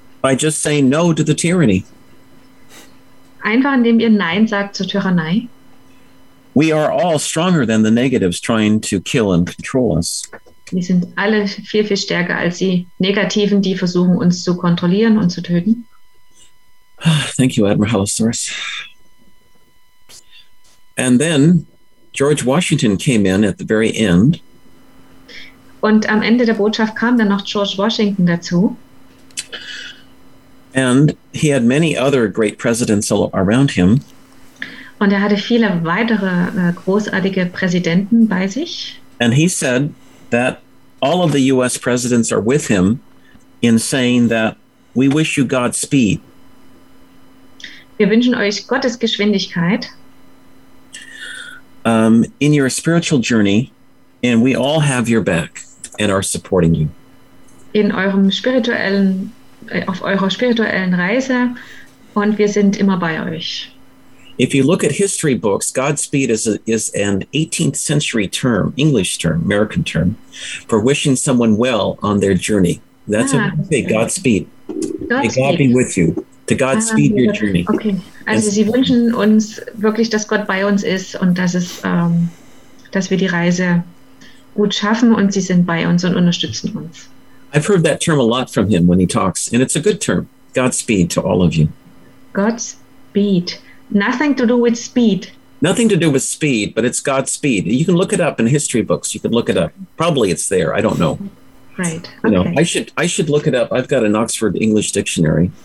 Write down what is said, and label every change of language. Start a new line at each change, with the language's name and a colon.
English: By just saying no to the tyranny.
German: Einfach indem ihr Nein sagt zur Tyrannei.
English: We are all stronger than the negatives trying to kill and control us.
German: Wir sind alle viel, viel stärker als die Negativen, die versuchen, uns zu kontrollieren und zu töten.
English: Thank you, Admiral Halosaurus. And then George Washington came in at the very end.
German: Und am Ende der Botschaft kam dann noch George Washington dazu.
English: And he had many other great presidents all around him.
German: Und er hatte viele weitere großartige Präsidenten bei sich.
English: And he said that all of the US presidents are with him in saying that we wish you Godspeed.
German: Wir wünschen euch Gottes Geschwindigkeit.
English: In your spiritual journey, and we all have your back. And are supporting you.
German: In eurem spirituellen, auf eurer spirituellen Reise, und wir sind immer bei euch.
English: If you look at history books, Godspeed is an 18th century term, English term, American term, for wishing someone well on their journey. That's what we say, Godspeed. May God be with you. To Godspeed your journey. Okay.
German: Also sie wünschen uns wirklich, dass Gott bei uns ist und dass es, dass wir die Reise gut schaffen und sie sind bei uns und unterstützen uns.
English: I've heard that term a lot from him when he talks, and it's a good term. Godspeed to all of you. Godspeed. Nothing to do with speed. Nothing to do with speed, but it's Godspeed. You can look it up in history books. You can look it up. Probably it's there. I don't know. Right. Okay. You know, I should look it up. I've got an Oxford English dictionary.